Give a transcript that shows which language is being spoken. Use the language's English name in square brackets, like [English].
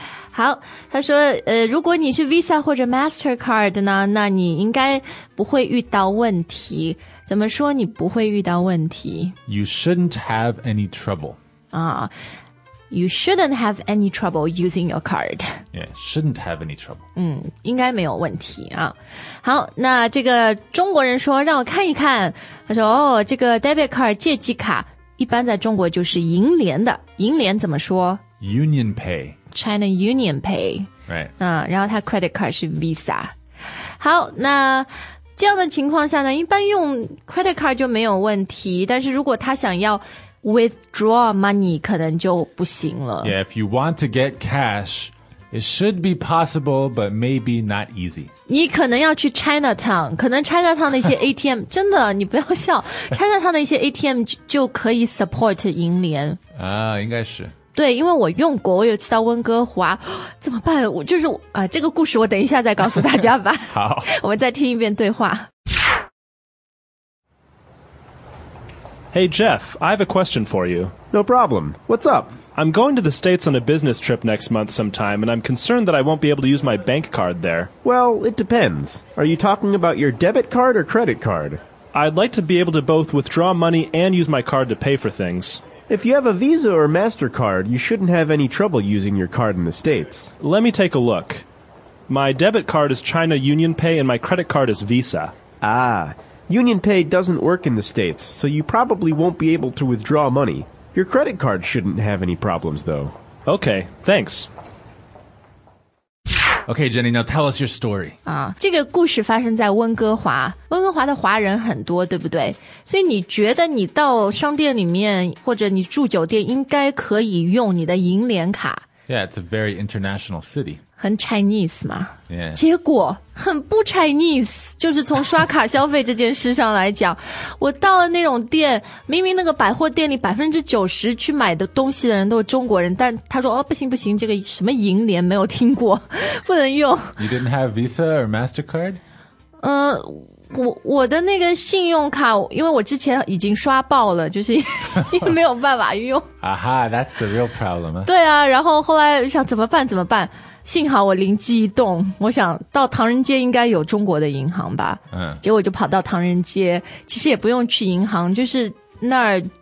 [Chinese] 好，他说如果你是 Visa 或者 MasterCard 呢，那你应该不会遇到问题。怎么说你不会遇到问题？ [English] You shouldn't have any trouble. You shouldn't have any trouble using your card. Yeah, shouldn't have any trouble. [Chinese] 应该没有问题啊。好，那这个中国人说让我看一看。他说哦，这个 debit card 借记卡一般在中国就是银联的。银联怎么说？ [English] Union Pay. China Union Pay. Right. [Chinese] 然后他 credit card 是 Visa. 好，那这样的情况下呢，一般用 credit card 就没有问题。但是如果他想要 [English] withdraw money [Chinese] 可能就不行了。 [English] Yeah, if you want to get cash, it should be possible, but maybe not easy. [Chinese] 你可能要去 Chinatown, 可能 Chinatown 的一些 ATM, 真的你不要笑, Chinatown 的一些 ATM 就可以 support 银联。应该是。对，因为我用过，我有次到温哥华，怎么办？我就是这个故事我等一下再告诉大家吧。好。我们再听一遍对话。 [English] Hey, Jeff, I have a question for you. No problem. What's up? I'm going to the States on a business trip next month sometime, and I'm concerned that I won't be able to use my bank card there. Well, it depends. Are you talking about your debit card or credit card? I'd like to be able to both withdraw money and use my card to pay for things. If you have a Visa or MasterCard, you shouldn't have any trouble using your card in the States. Let me take a look. My debit card is China Union Pay, and my credit card is Visa. Union Pay doesn't work in the States, so you probably won't be able to withdraw money. Your credit card shouldn't have any problems, though. Okay, thanks. Okay, Jenny, now tell us your story. [Chinese] 这个故事发生在温哥华。温哥华的华人很多，对不对？所以你觉得你到商店里面，或者你住酒店，应该可以用你的银联卡。 [English] Yeah, it's a very international city. [Chinese] 很 Chinese 嘛。 [English] Yeah. [Chinese] 结果很不 Chinese, 就是从刷卡消费这件事上来讲。我到了那种店，明明那个百货店里 90% 去买的东西的人都是中国人，但他说哦，不行不行，这个什么银联没有听过，不能用。 [English] You didn't have Visa or MasterCard? [Chinese] 我的那个信用卡，因为我之前已经刷爆了，就是没有办法用。 [English] that's the real problem. [Chinese] 对啊，然后后来想怎么办怎么办，幸好我灵机一动，我想到唐人街应该有中国的银行吧。结果就跑到唐人街，其实也不用去银行，就是那儿